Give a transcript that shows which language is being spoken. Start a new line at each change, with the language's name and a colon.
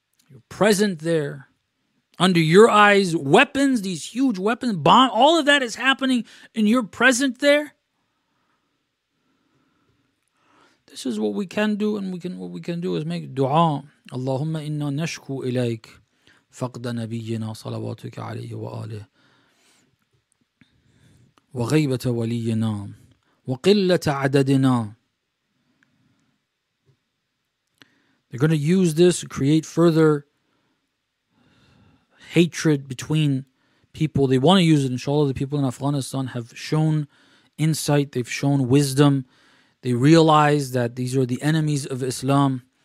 English: You're present there. Under your eyes, weapons, these huge weapons, bomb, all of that is happening and you're present there. This is what we can do, and what we can do is make dua.
Arabic: اللهم إنا نشكو إليك فقد نبينا صلواتك عليه وآله وغيبة ولينا وقلة عددنا.
English: They're going to use this to create further hatred between people. They want to use it. Inshallah, the people in Afghanistan have shown insight. They've shown wisdom. They realize that these are the enemies of Islam.